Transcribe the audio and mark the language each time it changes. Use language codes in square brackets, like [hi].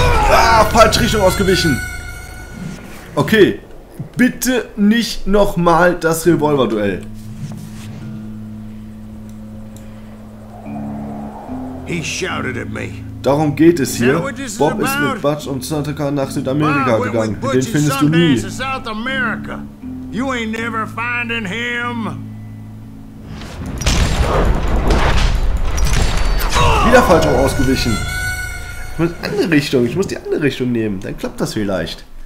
[de] Ah, falsche Richtung ausgewichen. Okay, bitte nicht nochmal das Revolver-Duell. [en] He shouted at me. [de] Darum geht es hier. Bob ist mit Butch und Santa nach Südamerika gegangen. Den findest du nie. South America. [en] You ain't never finding him. [de] Wieder falsch ausgewichen. Ich muss andere Richtung. Ich muss die andere Richtung nehmen. Dann klappt das vielleicht.